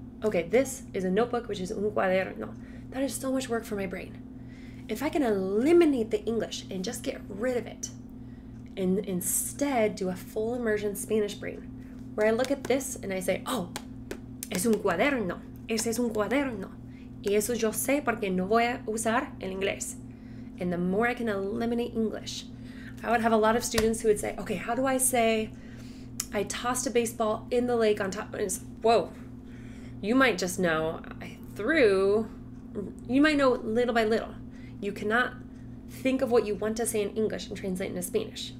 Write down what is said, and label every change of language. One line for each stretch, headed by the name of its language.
English: okay, this is a notebook, which is
Spanish: un cuaderno.
English: That is so much work for my brain. If I can eliminate the English and just get rid of it, and instead do a full immersion Spanish brain, where I look at this and I say, oh,
Spanish: es un cuaderno. Ese es un cuaderno. Y eso yo sé porque no voy a usar el inglés.
English: And the more I can eliminate English, I would have a lot of students who would say, okay, how do I say, I tossed a baseball in the lake on top, and it's, whoa, you might just know, you might know little by little. You cannot think of what you want to say in English and translate into Spanish.